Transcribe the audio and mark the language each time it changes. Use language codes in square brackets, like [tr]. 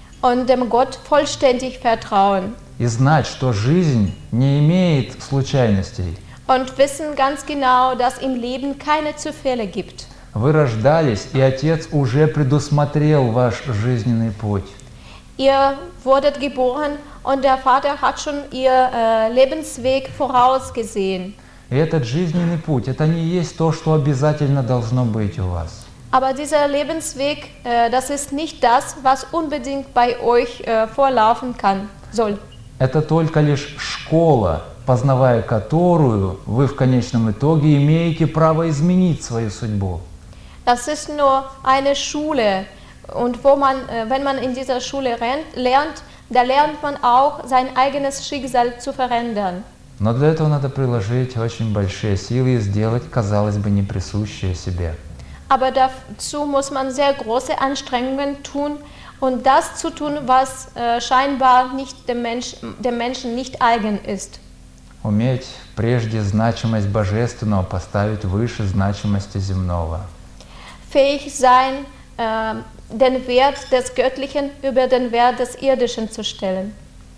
[de] Und dem Gott vollständig vertrauen. [ru] И знать, что жизнь не имеет случайностей. [de] Und wissen ganz genau, dass im Leben keine Zufälle gibt. [ru] Вы рождались, и Отец уже предусмотрел ваш жизненный путь. [de] Ihr wurdet geboren, und der Vater hat schon ihr Lebensweg vorausgesehen. [ru] И этот жизненный путь, это не есть то, что обязательно должно быть у вас. [de] Aber dieser Lebensweg, das ist nicht das, was unbedingt bei euch vorlaufen kann, soll. [ru] Это только лишь школа, познавая которую, вы в конечном итоге имеете право изменить свою судьбу. [de] Das ist nur eine Schule, und wo man, wenn man in dieser Schule lernt, da lernt man auch, sein eigenes Schicksal zu verändern. [ru] Но для этого надо приложить очень большие силы и сделать, казалось бы, неприсущее себе. [de] Aber dazu muss man sehr große Anstrengungen tun, und das zu tun, was scheinbar nicht dem Menschen nicht eigen ist. [ru] Уметь прежде значимость Божественного поставить выше значимости земного. [de] Fähig sein, den Wert des Göttlichen über den Wert des Irdischen zu stellen.